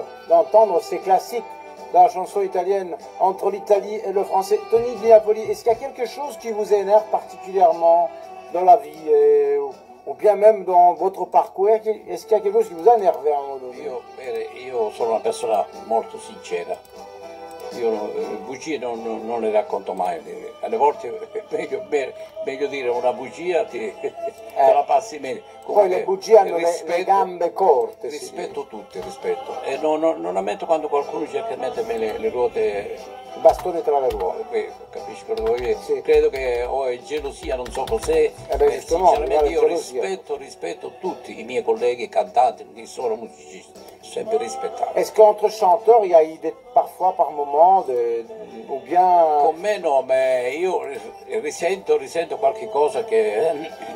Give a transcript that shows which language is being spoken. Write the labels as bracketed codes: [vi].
[fr] Entendre ces classiques de la chanson italienne entre l'Italie et le français. Tony Di Napoli, est-ce qu'il y a quelque chose qui vous énerve particulièrement dans la vie ou bien même dans votre parcours? Est-ce qu'il y a quelque chose qui vous a énervé à un moment donné? [it] Io sono una persona molto sincera. Io bugie non le racconto mai. Alle volte meglio dire una bugia te la passi meglio. Poi le bugie hanno rispetto, le gambe corte. Rispetto tutte, rispetto. E non ammetto quando qualcuno cerca di mettermi le ruote. Il bastone tra le ruote. Capisci quello che voglio dire? Sì. Credo che è gelosia, non so cos'è. Sinceramente io rispetto tutti i miei colleghi cantanti, che sono musicisti. Sempre rispettato. [fr] Est-ce qu'entre chanteurs il y a idée parfois par moment de ou bien [it] con me no, ma io risento qualche cosa che